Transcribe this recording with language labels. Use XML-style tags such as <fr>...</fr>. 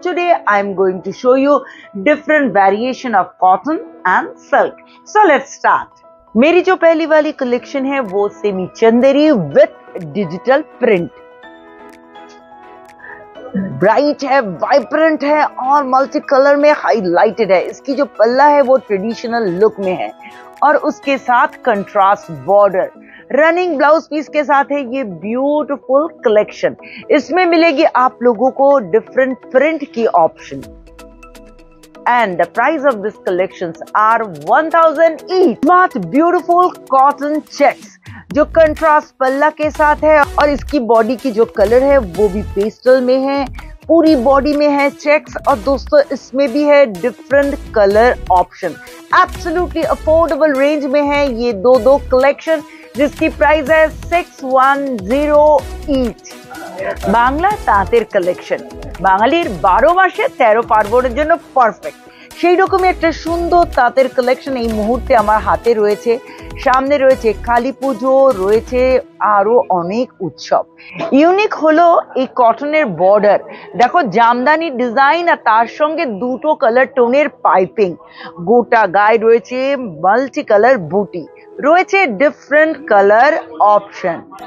<en>Today I am going to show you different variation of cotton and silk. So let's start.</en> <hi>मेरी जो पहली वाली collection है वो semi Chanderi with digital print. Bright है, vibrant है और मल्टी कलर में हाइलाइटेड है. इसकी जो पल्ला है वो ट्रेडिशनल लुक में है और उसके साथ contrast border running blouse piece के साथ है ये ब्यूटीफुल कलेक्शन. इसमें मिलेगी आप लोगों को डिफरेंट प्रिंट की option</hi> <en>And the price of this collection are 1000 each.</en> <hi>Smart beautiful cotton checks जो कंट्रास्ट पल्ला के साथ है और इसकी बॉडी की जो कलर है वो भी पेस्टल में है. पूरी बॉडी में है चेक्स और दोस्तों इसमें भी है different colour option. Absolutely affordable range में है ये दो दो कलेक्शन जिसकी प्राइस है 610 ईच.</hi> <bn>बांग्ला तांतेर कलेक्शन बांगालीर 12 मासे 13 पार्वणের জন্য পারফেক্ট. সেই রকমই একটা সুন্দর তাঁতের কালেকশন এই মুহূর্তে আমার হাতে রয়েছে. সামনে রয়েছে কালী পুজো, রয়েছে আরো অনেক উৎসব. ইউনিক হলো এই কটনের বর্ডার, দেখো জামদানি ডিজাইন আর তার সঙ্গে দুটো কালার টোনের পাইপিং, গোটা গায়ে রয়েছে মাল্টি কালার বুটি, রয়েছে ডিফারেন্ট কালার অপশন.</bn>